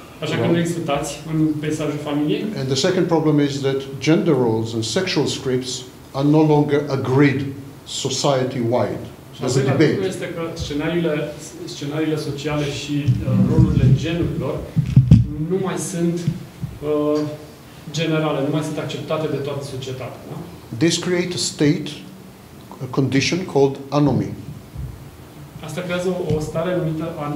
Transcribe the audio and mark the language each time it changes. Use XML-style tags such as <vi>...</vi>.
<ro>Așa că nu există tați în peisajul familiei.</ro> <en>And the second problem is that gender roles and sexual scripts are no longer agreed society-wide. There's a debate.</en> <ro>Problema este că scenariile sociale și rolurile genurilor nu mai sunt generale, nu mai sunt acceptate de toată societatea. Da?</ro> <en>This creates a state, a condition called anomie.</en> <ro>Asta creează o stare numită</ro>